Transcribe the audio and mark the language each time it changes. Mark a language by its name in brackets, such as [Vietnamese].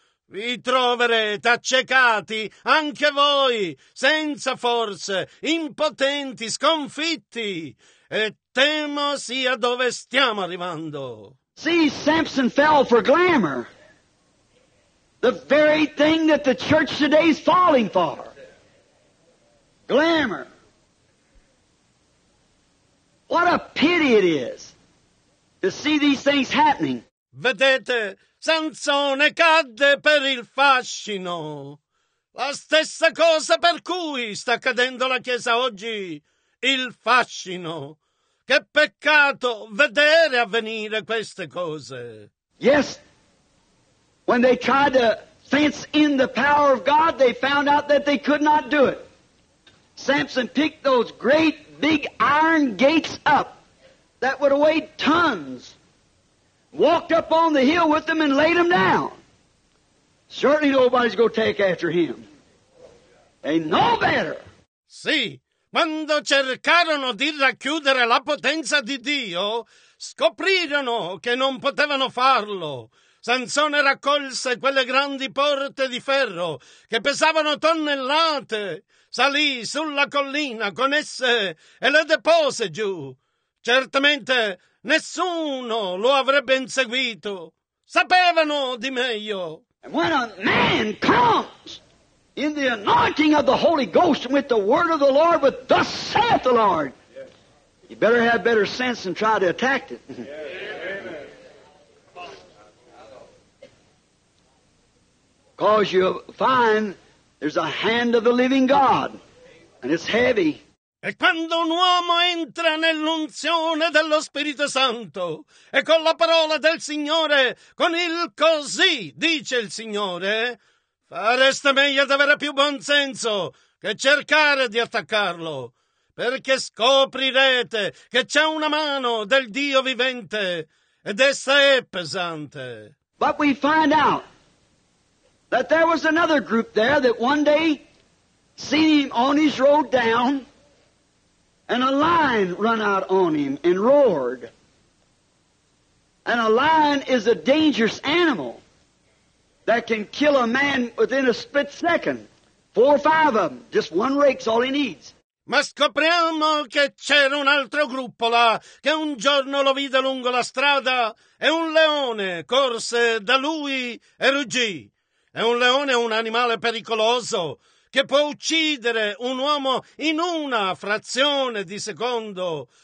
[Italian] Vi troverete accecati, anche voi, senza forze, impotenti, sconfitti, e temo sia dove stiamo arrivando. [English] See, Samson fell for glamour, the very thing that the church today is falling for. Glamour. What a pity it is to see these things happening. [Italian] Vedete, Sansone cadde per il fascino. La stessa cosa per cui sta cadendo la Chiesa oggi, il fascino. Che peccato vedere avvenire queste cose. [English] Yes, when they tried to fence in the power of God, they found out that they could not do it. Samson picked those great big iron gates up that would weigh tons. Walked up on the hill with them and laid them down. Certainly nobody's going to take after him. Ain't no better. [Italian] Sì, quando cercarono di racchiudere la potenza di Dio, scoprirono che non potevano farlo. Sansone raccolse quelle grandi porte di ferro che pesavano tonnellate. Salì sulla collina con esse e le depose giù. Certamente nessuno lo avrebbe inseguito. Sapevano di meglio. [English] And when a man comes in the anointing of the Holy Ghost and with the word of the Lord, with thus saith the Lord, you better have better sense and try to attack it. Because you'll find there's a hand of the living God and it's heavy. [Italian] E quando un uomo entra nell'unzione dello Spirito Santo e con la parola del Signore, con il così, dice il Signore, fareste meglio ad avere più buon senso che cercare di attaccarlo, perché scoprirete che c'è una mano del Dio vivente ed essa è pesante. [English] But we find out that there was another group there that one day seen him on his road down. And a lion run out on him and roared. And a lion is a dangerous animal that can kill a man within a split second. Four or five of them. Just one rake's all he needs. [Italian] Ma scopriamo che c'era un altro gruppo là che un giorno lo vide lungo la strada e un leone corse da lui e ruggì. E un leone è un animale pericoloso che può uccidere un uomo in una frazione di secondo.